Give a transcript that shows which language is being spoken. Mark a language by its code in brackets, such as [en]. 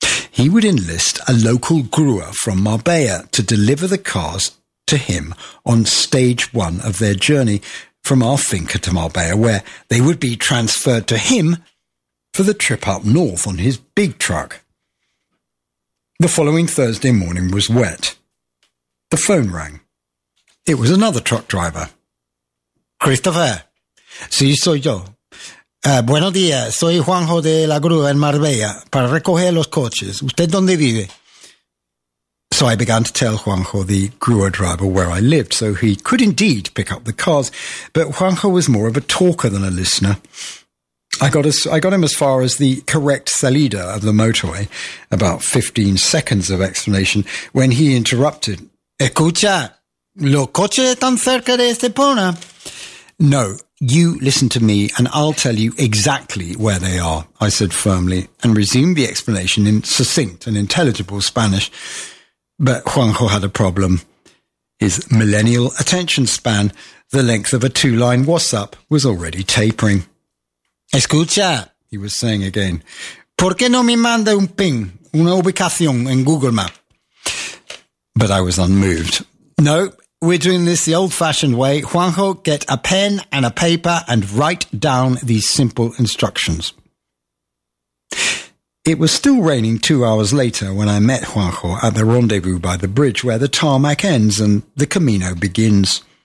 [en] He would enlist a local grower from Marbella to deliver the cars to him on stage 1 of their journey from our finca to Marbella, where they would be transferred to him for the trip up north on his big truck. The following Thursday morning was wet. The phone rang. It was another truck driver. [es] Christopher. Sí, soy yo. Buenos días. Soy Juanjo de la Grúa en Marbella para recoger los coches. ¿Usted dónde vive? [en] So I began to tell Juanjo, the Grúa driver, where I lived, so he could indeed pick up the cars. But Juanjo was more of a talker than a listener. I got him as far as the correct salida of the motorway, about 15 seconds of explanation, when he interrupted. [es] Escucha, los coches están cerca de Estepona. [en] No, you listen to me and I'll tell you exactly where they are, I said firmly, and resumed the explanation in succinct and intelligible Spanish. But Juanjo had a problem. His millennial attention span, the length of a 2-line WhatsApp, was already tapering. [es] Escucha, [en] he was saying again. [es] ¿Por qué no me manda un ping, una ubicación en Google Map? [en] But I was unmoved. No, we're doing this the old-fashioned way. Juanjo, get a pen and a paper and write down these simple instructions. It was still raining 2 hours later when I met Juanjo at the rendezvous by the bridge where the tarmac ends and the Camino begins.